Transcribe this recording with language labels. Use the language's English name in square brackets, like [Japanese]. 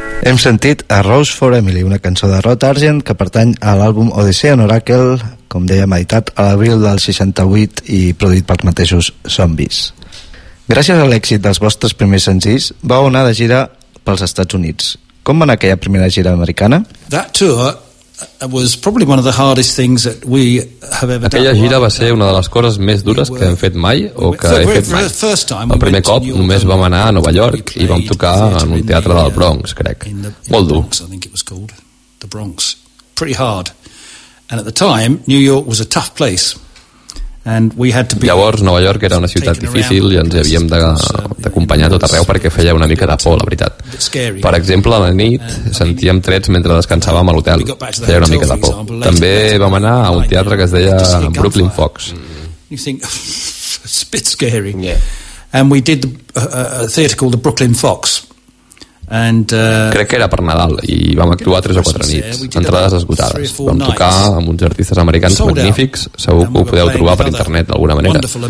[Catalan] Hem sentit A Rose for Emily, una cançó de Rod Argent que pertany a l'àlbum Odyssey on Oracle, com dèiem, editat a l'abril del 68 i produït pels mateixos Zombies. Gràcies a l'èxit dels vostres primers senzills, vau anar de gira pels Estats Units. Com va anar aquella primera gira americana? [English] That tour was probably one of the hardest things that we have ever done. [Catalan] Aquella gira va ser una de les coses més dures que hem fet mai o que he fet mai. El primer cop només vam anar a Nova York i vam tocar en un teatre del Bronx, crec. Molt dur. [English] The Bronx. Pretty hard. And at the time, New York was a tough place. And we had to be. [Catalan] Llavors, Nova York era una ciutat difícil i ens havíem d'acompanyar tot arreu perquè feia una mica de por, la veritat. Per exemple, a la nit sentíem trets mentre descansàvem a l'hotel. Feia una mica de por. També vam anar a un teatre que es deia Brooklyn Fox. [English] It's a bit scary. And we did a theater called the Brooklyn Fox. [Catalan] Crec que era per Nadal i vam actuar 3 o 4 nits, entrades esgotades. Vam tocar amb uns artistes americans magnífics, segur que ho podeu trobar per internet d'alguna manera.